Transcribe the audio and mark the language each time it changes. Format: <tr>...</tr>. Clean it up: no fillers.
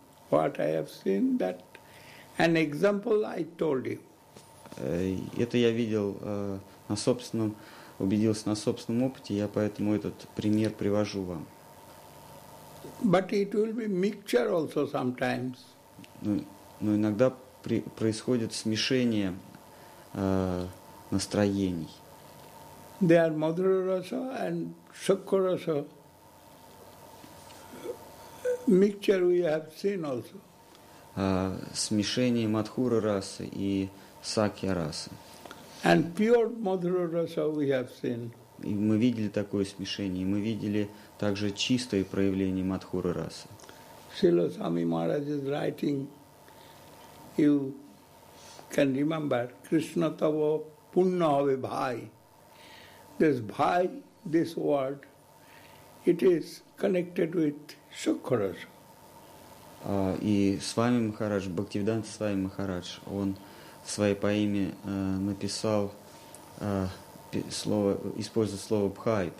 <en>What I have seen, that an example I told you.</en> <ru>Это я видел на собственном, убедился на собственном опыте, я поэтому этот пример привожу вам.</ru> <en>But it will be mixture also sometimes.</en> <ru>Но иногда происходит смешение настроений.</ru> <en>They are Madhura-rasa and Sukha-rasa. Mixture we have seen also.</en> <ru>Смешение Мадхура-расы и Сакья-расы.</ru> <en>And pure Madhura-rasa we have seen.</en> <ru>И мы видели такое смешение, и мы видели также чистое проявление Мадхура-расы.</ru> <en>Шрила Свами Махарадж is writing, you can remember,</en> <bn>Krishna tava punna hove bhai.</bn> <en>This bhai, this word, it is connected with Sukha-rasa.</en> <ru>И Свами Махарадж, Бхактивиданта Свами Махарадж, он в своей поэме написал слово, использует слово «бхай».</ru>